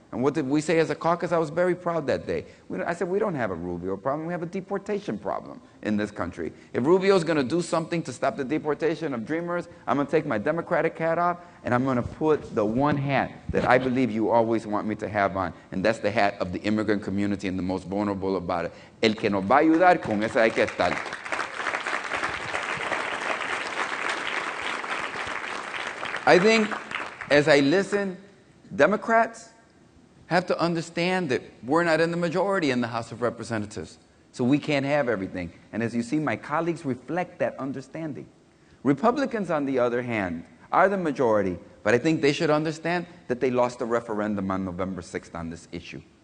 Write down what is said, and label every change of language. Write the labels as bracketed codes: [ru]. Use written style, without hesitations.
[en] And what did we say as a caucus? I was very proud that day. I said, we don't have a Rubio problem. We have a deportation problem in this country. If Rubio's going to do something to stop the deportation of Dreamers, I'm going to take my Democratic hat off, and I'm going to put the one hat that I believe you always want me to have on, and that's the hat of the immigrant community and the most vulnerable about it. [es] El que nos va a ayudar, con ese hay que estar. [en] I think, as I listen, Democrats have to understand that we're not in the majority in the House of Representatives, so we can't have everything. And as you see, my colleagues reflect that understanding. Republicans, on the other hand, are the majority, but I think they should understand that they lost the referendum on November 6th on this issue.